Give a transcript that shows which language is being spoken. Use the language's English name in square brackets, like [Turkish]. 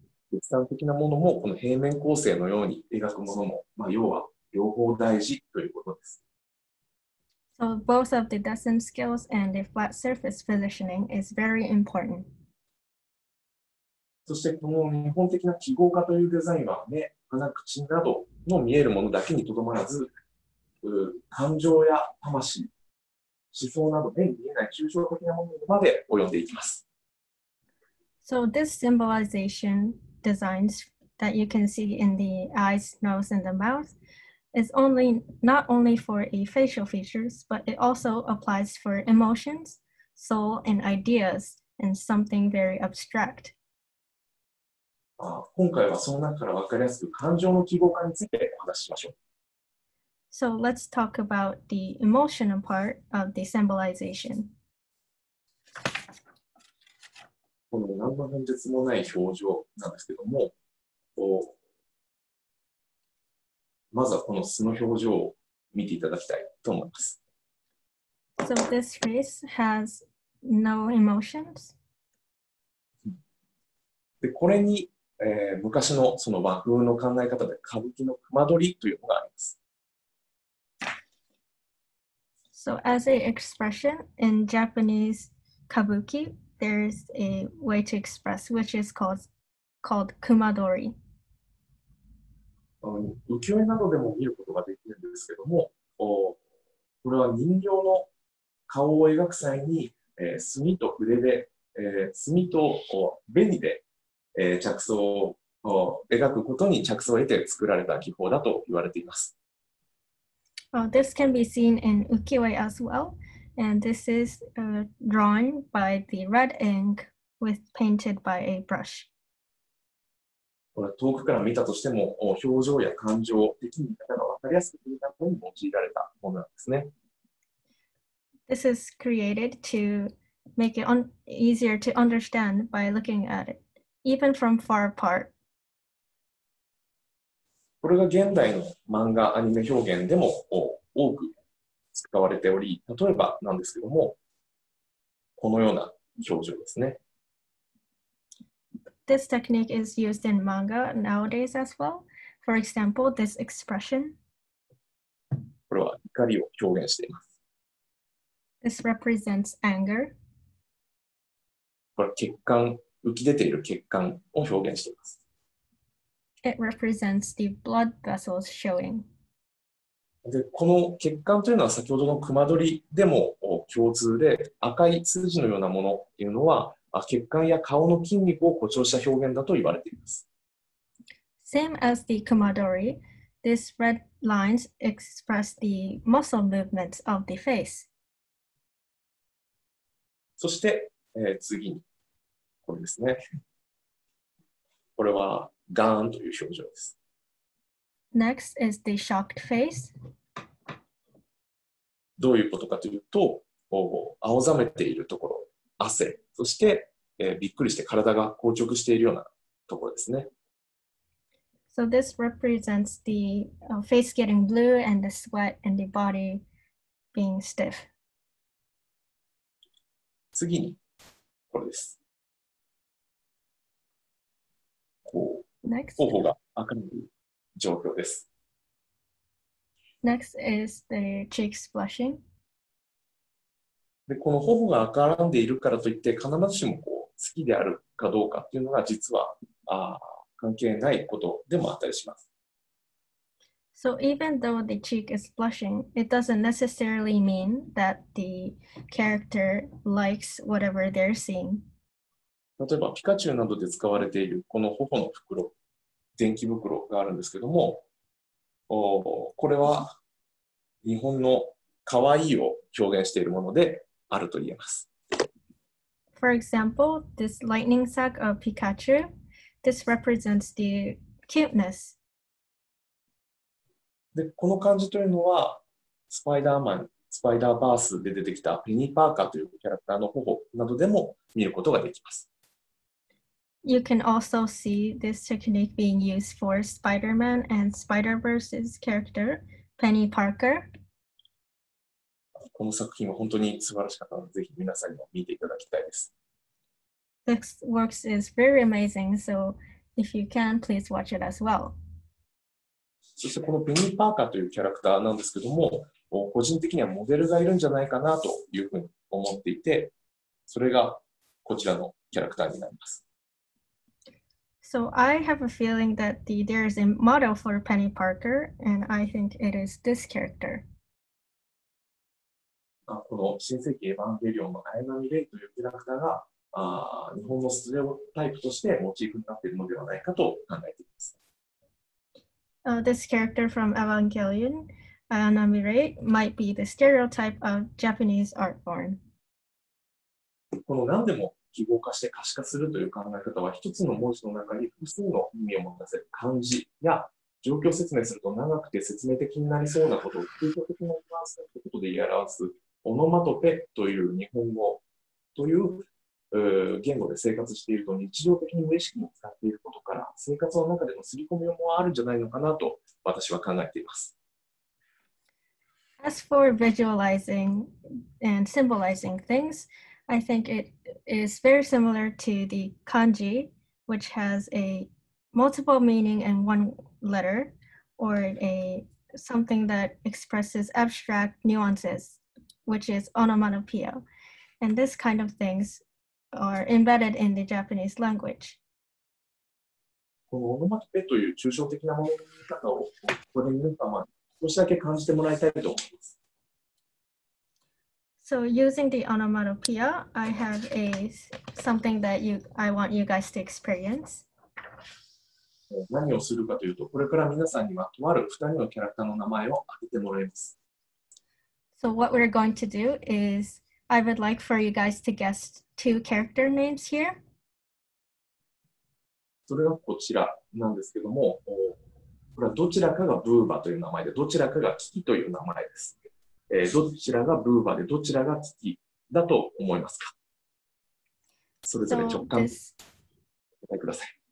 [Japanese] 実際的なものもこの平面構成のように描くものも、まあ、要は両方大事ということです。 [English] So both of the design skills and the flat surface positioning is very important. [Japanese] そしてこの日本的な記号化というデザインは目、鼻、口などの見えるものだけにとどまらず、感情や魂、思想など目に見えない抽象的なものまで及んでいきます。 [English] So this symbolization designs that you can see in the eyes, nose, and the mouth is only not only for a facial features, but it also applies for emotions, soul, and ideas, and something very abstract. [Japanese] 今回はその中から分かりやすく感情の記号化についてお話ししましょう。 [English] So let's talk about the emotional part of the symbolization. [Japanese] この何の変哲もない表情なんですけども、まずはこの素の表情を見ていただきたいと思います。 [English] So this face has no emotions. [Japanese] で、これに、昔のその和風の考え方で歌舞伎の隈取りというのがあります。 [English] So as an expression in Japanese kabuki, there is a way to express which is called kumadori. [Japanese] 浮世絵などでも見ることができるんですけども、これは人形の顔を描く際に、墨と筆で、墨と紅で、着想を描くことに着想を得て作られた技法だと言われています。 [English] This can be seen in ukiyo-e as well. And this is a drawing by the red ink with painted by a brush. [Japanese] これ遠くから見たとしても、表情や感情を的に方が分かりやすく見たものに用いられたものなんですね。 [English] This is created to make it easier to understand by looking at it, even from far apart. [Japanese] これが現代の漫画、アニメ表現でも多く使われており、例えばなんですけども、このような表情ですね。 [English] This technique is used in manga nowadays as well. For example, this expression. [Japanese] これは怒りを表現しています。 [English] This represents anger. [Japanese] これは血管、浮き出ている血管を表現しています。 [English] It represents the blood vessels showing. [Japanese] で、この血管というのは先ほどの熊取りでも共通で、赤い数字のようなものというのは、血管や顔の筋肉を誇張した表現だと言われています。 [English] Same as the kumadori, these red lines express the muscle movements of the face. [Japanese] そして、次に、これですね。これはガーンという表情です。 [English] Next is the shocked face. [Japanese] どういうことかというと、青ざめているところ、汗、そしてびっくりして体が硬直しているようなところですね。 [English] So this represents the face getting blue and the sweat and the body being stiff. [Japanese] 次に、これです。こう、 [English] Next. [Japanese] 頬が赤い状況です。 [English] Next is the cheeks blushing. [Japanese] で、この頬が赤らんでいるからといって必ずしもこう好きであるかどうかっていうのが実は関係ないことでもあったりします。 [English] So even though the cheek is blushing, it doesn't necessarily mean that the character likes whatever they're seeing. [Japanese] 例えばピカチュウなどで使われているこの頬の袋、電気袋があるんですけども、これは日本の可愛いを表現しているものであると言えます。 [English] For example, this lightning sack of Pikachu, this represents the cuteness. [Japanese] で、この感じというのは、スパイダーマン、スパイダーバースで出てきたペニー・パーカーというキャラクターの頬などでも見ることができます。 [English] You can also see this technique being used for Spider-Man and Spider-Verse's character, Penny Parker. [Japanese] この作品は本当に素晴らしかったので、ぜひ皆さんにも見ていただきたいです。 [English] This works is very amazing, so if you can, please watch it as well. [Japanese] そしてこのペニー・パーカーというキャラクターなんですけども、個人的にはモデルがいるんじゃないかなというふうに思っていて、それがこちらのキャラクターになります。 [English] So I have a feeling that there is a model for Penny Parker, and I think it is this character. [Japanese] この新世紀エヴァンゲリオンの綾波レイというキャラクターが日本のステレオタイプとしてモチーフになっているのではないかと考えています。 [English] This character from Evangelion, Ayanami Rei, might be the stereotype of Japanese art form. [Japanese] この何でも記号化して可視化するという考え方は、一つの文字の中に複数の意味を持たせる漢字や状況説明すると長くて説明的になりそうなことを抽象的なニュアンスということで表すオノマトペという日本語という言語で生活していると日常的に無意識に使っていることから生活の中での刷り込みもあるんじゃないのかなと私は考えています。 [English] As for visualizing and symbolizing things, I think it is very similar to the kanji, which has a multiple meaning in one letter or a something that expresses abstract nuances. Which is onomatopoeia. And this kind of things are embedded in the Japanese language. [Japanese] このオノマトペという抽象的なものの見方をここで皆様に少しだけ感じてもらいたいと思います。 [English] So using the onomatopoeia, I have a something that you, I want you guys to experience. [Japanese] 何をするかというと、これから皆さんにはとある2人のキャラクターの名前を当ててもらいます。 [English] So what we're going to do is I would like for you guys to guess two character names here. [Japanese] それがこちらなんですけども、これはどちらかがブーバという名前で、どちらかがキキという名前です。どちらがブーバで、どちらがキキだと思いますか？それぞれ直感お答えください。